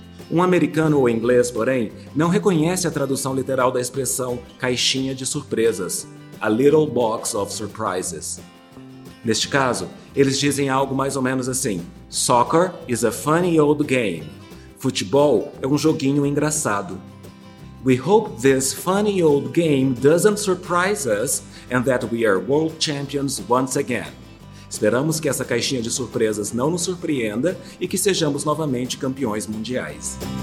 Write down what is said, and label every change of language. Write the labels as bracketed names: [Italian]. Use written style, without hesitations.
[Portuguese] Um americano ou inglês, porém, não reconhece a tradução literal da expressão caixinha de surpresas, [English] a little box of surprises. [Portuguese] Neste caso, eles dizem algo mais ou menos assim: [English] soccer is a funny old game. [Portuguese] Futebol é um joguinho engraçado. [English] We hope this funny old game doesn't surprise us and that we are world champions once again. [Portuguese] Esperamos que essa caixinha de surpresas não nos surpreenda e que sejamos novamente campeões mundiais.